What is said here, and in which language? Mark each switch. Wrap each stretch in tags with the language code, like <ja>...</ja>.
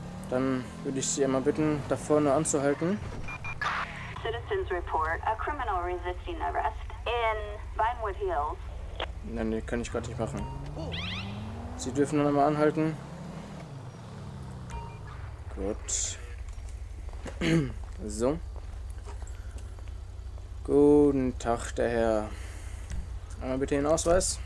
<de>Dann würde ich Sie einmal bitten, da vorne anzuhalten.</de> <en>Citizens report a criminal resisting arrest in Vinewood Hills.</en> <de>Nein, nee, kann ich gerade nicht machen. Sie dürfen dann einmal anhalten. Gut. So. Guten Tag, der Herr. Einmal bitte den Ausweis.</de>